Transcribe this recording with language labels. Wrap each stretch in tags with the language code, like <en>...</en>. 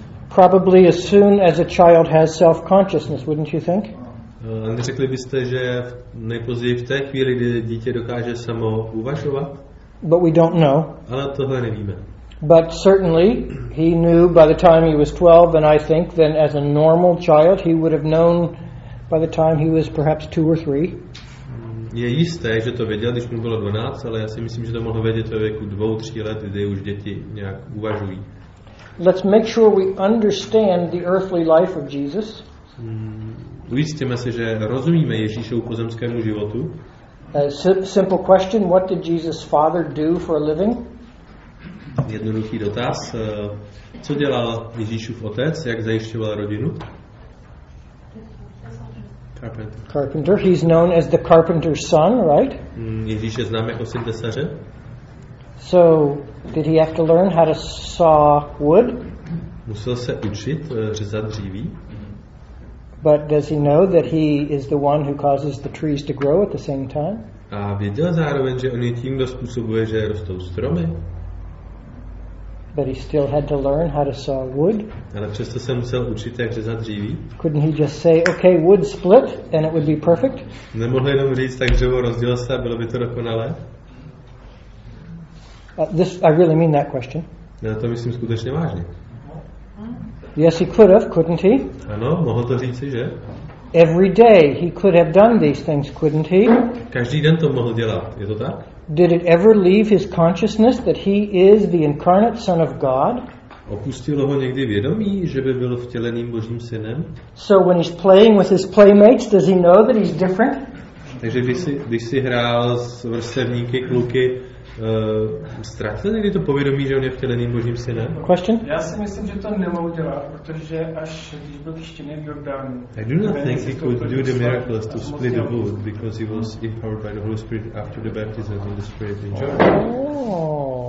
<en>Probably as soon as a child has self-consciousness, wouldn't you think?</en> <cs>Řekli byste, že nejpozději v té chvíli, kdy dítě dokáže samo uvažovat?</cs> <en>But we don't know.</en> <cs>Ale tohle nevíme.</cs> <en>But certainly he knew by the time he was 12, and I think then as a normal child he would have known by the time he was perhaps 2 or 3.</en> <cs>Je jisté, že to věděl, když mu bylo 12, ale já si myslím, že to mohl vědět ve věku 2-3 let, kdy už děti nějak uvažují.</cs> <en>Let's make sure we understand the earthly life of Jesus.</en> <cs>Ujistíme se, že rozumíme Ježíšovu pozemskému životu.</cs> <en>Simple question, what did Jesus' father do for a living?</en> <cs>Jednoduchý dotaz, co dělal Ježíšův otec, jak zajišťoval rodinu?</cs> <en>Carpenter. He's known as the carpenter's son, right?</en> <cs>Ježíš je znám jako syn tesaře.</cs> <en>So, did he have to learn how to saw wood?</en> <cs>Musel se učit řezat dříví.</cs> <en>But does he know that he is the one who causes the trees to grow at the same time?</en> <cs>A věděl zároveň, že on je tím, kdo způsobuje, že rostou stromy.</cs> <en>But he still had to learn how to saw wood.</en> <cs>Ale přesto se musel učit, jak řezat dříví.</cs> <en>Couldn't he just say, okay, wood split, and it would be perfect?</en> <cs>Nemohl jenom říct, tak dřevo rozdělil se, bylo by to dokonalé?</cs> <en>This, I really mean that question.</en> <cs>Já to myslím skutečně vážně.</cs> <en>Yes, he could have, couldn't he?</en> <cs>Ano, mohl to říci, že?</cs> <en>Every day he could have done these things, couldn't he?</en> <cs>Každý den to mohl dělat, je to tak?</cs> <en>Did it ever leave his consciousness that he is the incarnate Son of God?</en> <cs>Opustilo ho někdy vědomí, že by byl vtěleným Božím synem?</cs> <en>So when he's playing with his playmates, does he know that he's different?</en> <cs>Takže když si hrál s vrstevníky, kluky, ztratil někdy to povědomí, že on je vtěleným Božím synem?</cs> <en>Question?</en> <cs>Já si myslím, že to nemohl dělat, protože až když byl tištěný v Jordánu.</cs> <en>I do not think he could do the miracles to split the wood, because he was empowered by the Holy Spirit after the baptism of the Spirit in Jordan.</en>